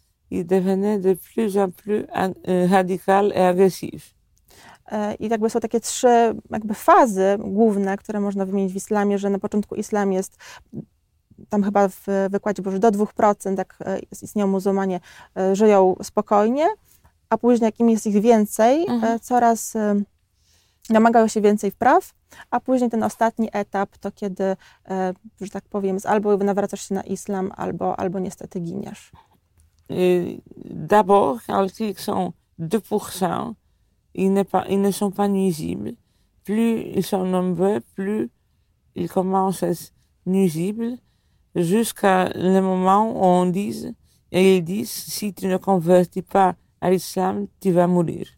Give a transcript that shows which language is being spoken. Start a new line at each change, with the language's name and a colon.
French: Il devenait de plus en plus radical et agressif.
Polish: I jakby są takie trzy jakby fazy główne, które można wymienić w islamie, że na początku islam jest tam chyba w wykładzie, bo już do 2%, jak istnieją muzułmanie, żyją spokojnie, a później jak im jest ich więcej, coraz namagają się więcej wpraw, a później ten ostatni etap to kiedy, że tak powiem, albo nawracasz się na islam, albo niestety giniesz.
French: D'abord, quand ils sont 2%, ils ne sont pas nuisibles. Plus ils sont nombreux, plus ils commencent à être nuisibles. Jusqu'à le moment où on dit, et ils disent, si tu ne convertis pas à l'islam, tu vas mourir.